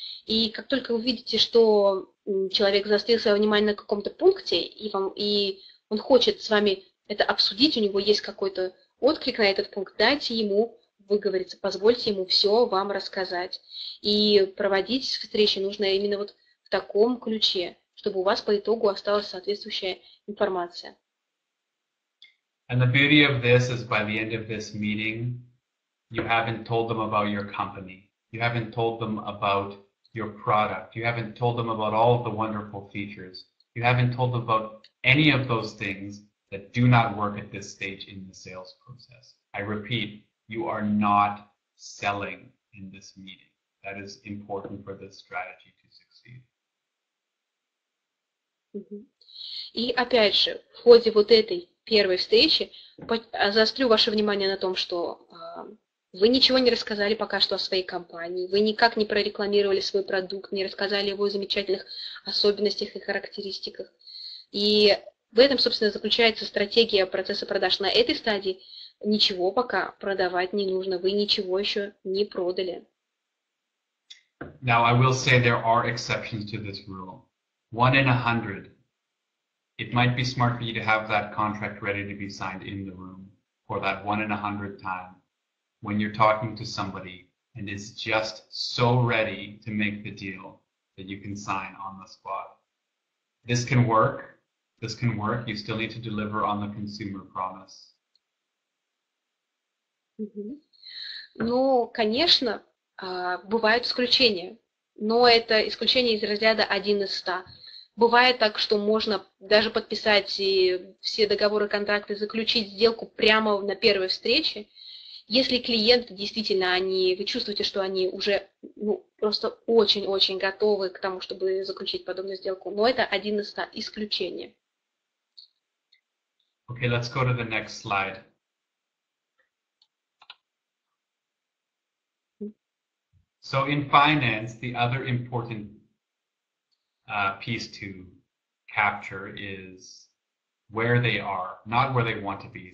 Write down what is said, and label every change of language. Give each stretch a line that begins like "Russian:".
Russian: И как только вы видите, что человек заострил свое внимание на каком-то пункте, и он хочет с вами это обсудить, у него есть какой-то отклик на этот пункт, дайте ему выговориться, позвольте ему все вам рассказать. И проводить встречи нужно именно вот в таком ключе, чтобы у вас по итогу осталась соответствующая информация.
English: And the beauty of this is by the end of this meeting, you haven't told them about your company. You haven't told them about your product. You haven't told them about all of the wonderful features. You haven't told them about any of those things that do not work at this stage in the sales process. I repeat, you are not selling in this meeting. That is important for this strategy to succeed.
Russian: И опять же, в ходе вот этой первой встречи заострю ваше внимание на том, что вы ничего не рассказали пока что о своей компании, вы никак не прорекламировали свой продукт, не рассказали о его замечательных особенностях и характеристиках. И в этом, собственно, заключается стратегия процесса продаж. На этой стадии ничего пока продавать не нужно, вы ничего еще не продали.
English: Now, I will say there are exceptions to this rule. 1 in 100, it might be smart for you to have that contract ready to be signed in the room for that 1 in 100 time when you're talking to somebody and is just so ready to make the deal that you can sign on the spot. This can work. You still need to deliver on the consumer promise.
Russian: Ну, конечно, бывают исключения, но это исключение из разряда 1 из 100. Бывает так, что можно даже подписать и все договоры, контракты, заключить сделку прямо на первой встрече. Если клиент действительно, вы чувствуете, что они уже просто очень-очень готовы к тому, чтобы заключить подобную сделку. Но это 1 из 100 исключения.
English: Okay, let's go to the next slide. So in finance, the other important piece to capture is where they are, not where they want to be.